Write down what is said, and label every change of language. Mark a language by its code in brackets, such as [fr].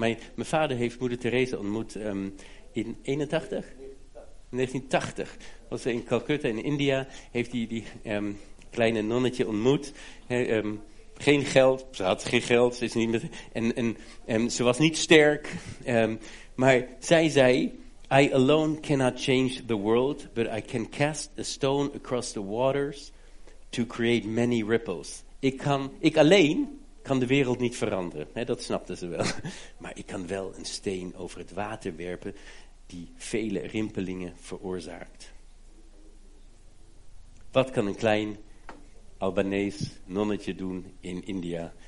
[nl] Mijn vader heeft moeder Teresa ontmoet in 81? 1980. Was in Calcutta in India, heeft hij die kleine nonnetje ontmoet. Geen geld, ze had geen geld. Ze is niet met, en ze was niet sterk. Maar zij zei, [en] I alone cannot change the world, but I can cast a stone across the waters to create many ripples. [nl] Ik alleen kan de wereld niet veranderen. Dat snapte ze wel. Maar ik kan wel een steen over het water werpen die vele rimpelingen veroorzaakt. Wat kan een klein Albanees nonnetje doen in India?